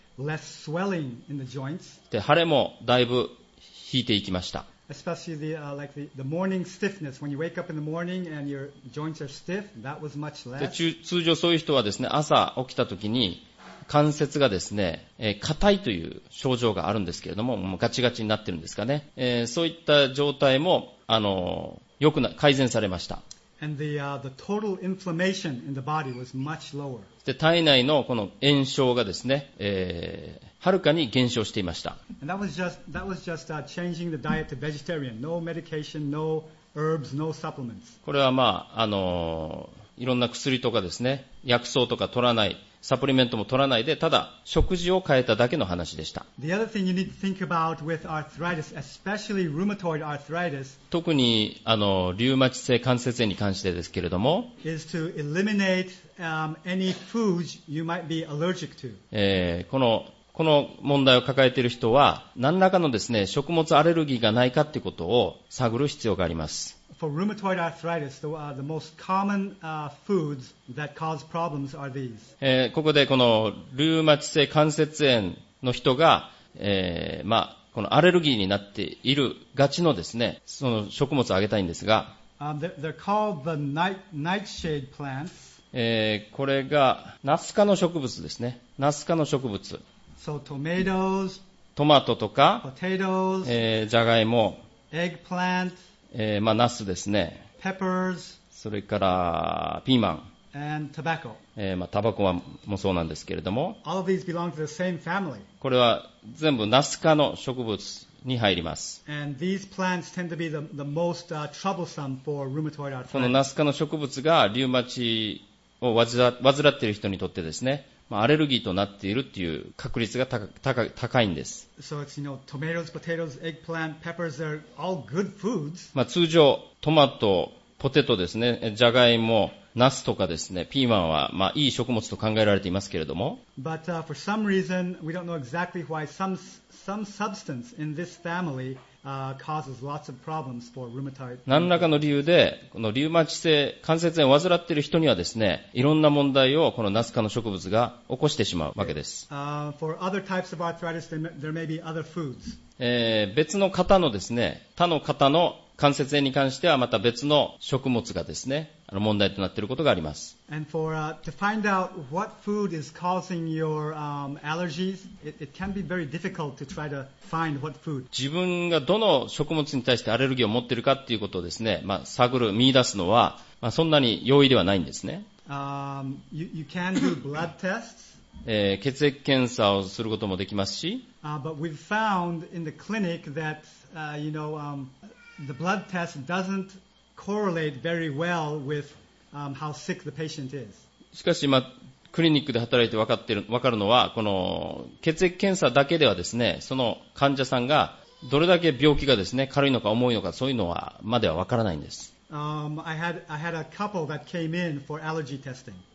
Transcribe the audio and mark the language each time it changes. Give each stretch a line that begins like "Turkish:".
English: less swelling in the joints.
Japanese: で腫れもだいぶ引いていきました。
English: Especially the, like the morning stiffness. When you wake up in the morning and your joints are stiff, that was much less.
Japanese: で通常そういう人はですね、朝起きた時に関節がですね、硬いという症状があるんですけれども、もうガチガチになってるんですかね。そういった状態も改善されました。
English: And the, the total inflammation in the body was much lower.
Japanese: で体内のこの炎症がですね、はるかに減少していました。
English: And that was just, changing the diet to vegetarian. No medication, no herbs, no supplements.
Japanese: これはまあいろんな薬とかですね、薬草とか取らない、サプリメントも取らないで、ただ食事を変えただけの話でした。
English: The other thing you need to think about with arthritis, especially rheumatoid arthritis,
Japanese: 特にリウマチ性関節炎に関してですけれども、
English: is to eliminate, any food you might be allergic to.
Japanese: この問題を抱えている人は何らかのですね、食物アレルギーがないかということを探る必要があります。
English: For rheumatoid arthritis, the most common foods that cause problems are these.
Japanese: ここでこのリウマチ性関節炎の人が、このアレルギーになっているがちのですね、その食物を挙げたいんですが、
English: they're called the nightshade plants.
Japanese: これがナス科の植物ですね。ナス科の植物。
English: So tomatoes.
Japanese: トマトとか、
English: potatoes.
Japanese: じゃがいも。
English: eggplant.
Japanese: ナスですね。
English: Peppers,
Japanese: それからピーマン。
English: And tobacco.
Japanese: タバコはもそうなんですけれども。
English: All of these belong to the same family.
Japanese: これは全部ナス科の植物に入ります。
English: And these plants tend to be the most troublesome for rheumatoid arthritis.
Japanese: このナス科の植物がリウマチを患っている人にとってですね、アレルギーとなっているっていう確率が高いんです。
English: So it's, you know, tomatoes, potatoes, eggplant, peppers, they're all good foods.
Japanese: 通常、トマト、ポテトですね、ジャガイモ、ナスとかですね、ピーマンは、いい食物と考えられていますけれども。
English: But, for some reason, we don't know exactly why some substance in this family, causes lots of problems for rheumatoid.
Japanese: 何らかの理由で、このリウマチ性関節炎を患っている人にはですね、いろんな問題をこのナス科の植物が起こしてしまうわけです。
English: For other types of arthritis, there may be other foods.
Japanese: 別の方のですね、他の方の関節炎に関してはまた別の食物がですね、問題となっていることがあります。
English: And for, to find out what food is causing your, allergies, it can be very difficult to try to find what food.
Japanese: 自分がどの食物に対してアレルギーを持っているかということをですね、探る、見出すのは、そんなに容易ではないんですね。
English: You can do blood tests.
Japanese: 血液検査をすることもできますし。
English: But we've found in the clinic that, you know, the blood test doesn't correlate very well with, how sick the patient is.
Japanese: しかし、クリニックで働いて分かるのは、この血液検査だけではですね、その患者さんがどれだけ病気がですね、軽いのか重いのか、そういうのはまでは分からないんです。
English: I had a couple that came in for allergy testing.